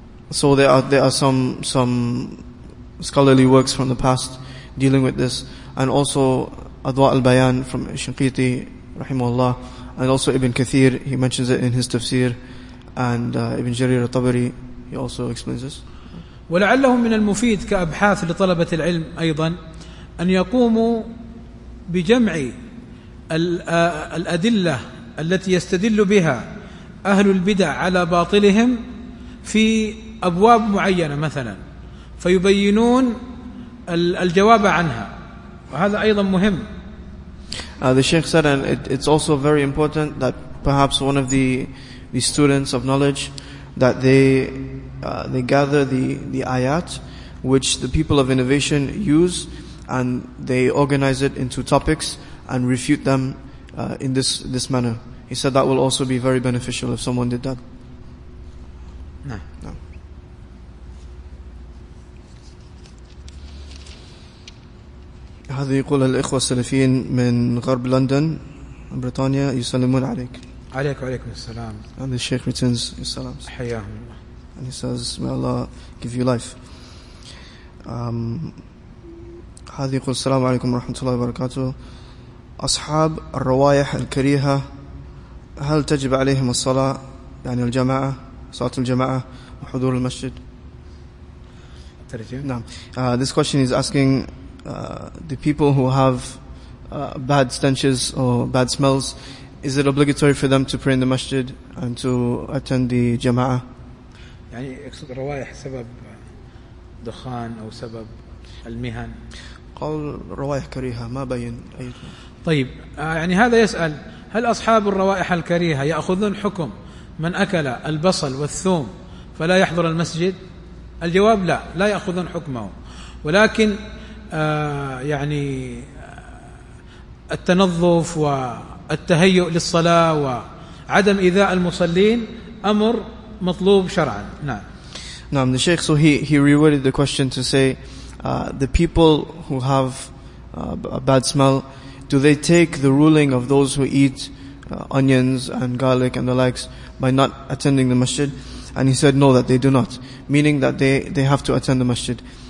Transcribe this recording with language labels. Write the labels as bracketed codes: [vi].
[en] so there are some scholarly works from the past dealing with this and also Adwa al-Bayan from Shinqiti rahimahullah and also Ibn Kathir he mentions it in his tafsir and Ibn Jarir al-Tabari he also explains this [ar] ولعله من المفيد كأبحاث لطلبة العلم أيضا أن يقوموا بجمع الأدلة التي يستدل بها أهل البدع على باطلهم في أبواب معينة مثلا فيبينون الجواب عنها وهذا أيضا مهم [en] The Sheikh said and it's also very important that perhaps one of the students of knowledge that they gather the ayat which the people of innovation use and they organize it into topics and refute them in this manner He said that will also be very beneficial if someone did that. No. [ar] هذا يقول الإخوة السلفيين من غرب لندن بريطانيا يسلمون عليك. عليك وعليكم السلام. [en] And the Sheikh returns his salams. [ar] حياهم الله. [en] And he says, may Allah give you life. [ar] هذا يقول السلام عليكم ورحمة الله وبركاته. أصحاب الروائح الكريهة هل تجب عليهم الصلاة يعني الجماعة صلاة الجماعة وحضور المسجد ترجم نعم [en] this question is asking the people who have bad stenches or bad smells is it obligatory for them to pray in the masjid and to attend the جماعة [ar] يعني يقصد روائح سبب دخان أو سبب المهن قال روائح كريهة ما بين أي طيب يعني هذا يسأل هل أصحاب الروائح الكريهة يأخذون حكم من أكل البصل والثوم فلا يحضر المسجد؟ الجواب لا يأخذون حكمه ولكن يعني التنظف والتهيؤ للصلاة وعدم إيذاء المصلين أمر مطلوب شرعا نعم نعم [en] the Sheikh so he reworded the question to say the people who have a bad smell Do they take the ruling of those who eat onions and garlic and the likes by not attending the masjid? And he said, no, that they do not. Meaning that they have to attend the masjid.